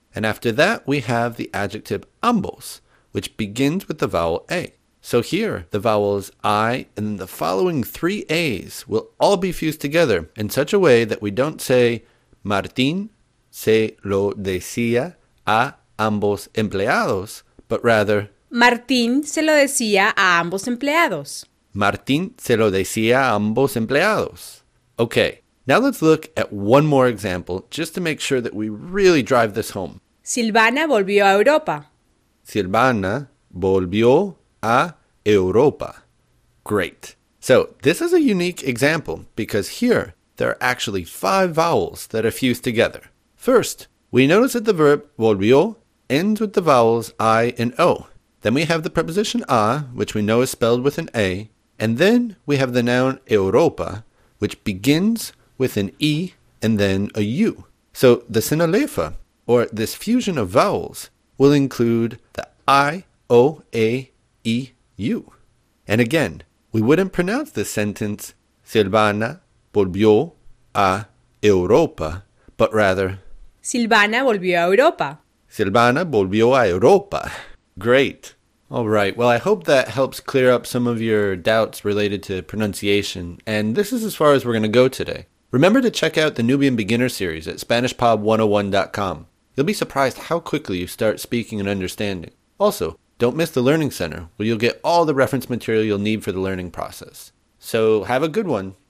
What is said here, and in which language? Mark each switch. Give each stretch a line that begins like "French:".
English: And after that, we have the adjective ambos, which begins with the vowel A. So here, the vowels I and the following three A's will all be fused together in such a way that we don't say
Spanish: Martín se lo decía a ambos empleados,
English: but rather
Spanish: Martín se lo decía a ambos empleados. Martín se lo decía a ambos empleados.
English: Okay, now let's look at one more example just to make sure that we really drive this home.
Spanish: Silvana volvió a Europa. Silvana volvió a Europa.
English: Great. So this is a unique example because here there are actually five vowels that are fused together. First, we notice that the verb volvió ends with the vowels I and O. Then we have the preposition a, which we know is spelled with an A. And then we have the noun Europa, which begins with an E and then a U. So the sinalefa, or this fusion of vowels, will include the I, O, A, E, U. And again, we wouldn't pronounce this sentence
Spanish: Silvana volvió a Europa,
English: but rather
Spanish: Silvana volvió a Europa. Silvana volvió a Europa.
English: Great. All right. Well, I hope that helps clear up some of your doubts related to pronunciation. And this is as far as we're going to go today. Remember to check out the Nubian Beginner Series at SpanishPod101.com. You'll be surprised how quickly you start speaking and understanding. Also, don't miss the Learning Center, where you'll get all the reference material you'll need for the learning process. So, have a good one.